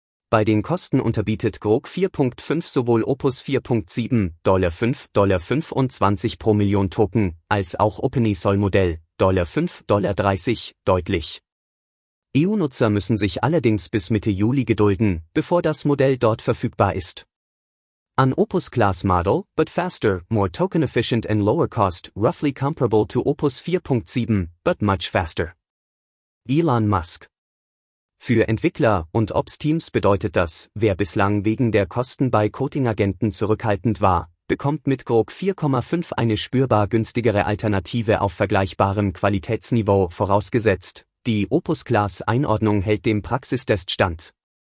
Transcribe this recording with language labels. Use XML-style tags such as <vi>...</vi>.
<de>Bei den Kosten unterbietet Grok 4.5 sowohl Opus 4.7, $5.25 pro Million Token, als auch OpenAI Sol Modell, $5.30, deutlich. EU-Nutzer müssen sich allerdings bis Mitte Juli gedulden, bevor das Modell dort verfügbar ist.</de> <en>An Opus Class Model, but faster, more token efficient and lower cost, roughly comparable to Opus 4.7, but much faster.</en> <de>Elon Musk. Für Entwickler und Ops-Teams bedeutet das, wer bislang wegen der Kosten bei Coding-Agenten zurückhaltend war, bekommt mit Grok 4.5 eine spürbar günstigere Alternative auf vergleichbarem Qualitätsniveau vorausgesetzt. Die Opus-Class-Einordnung hält dem Praxistest stand.</de>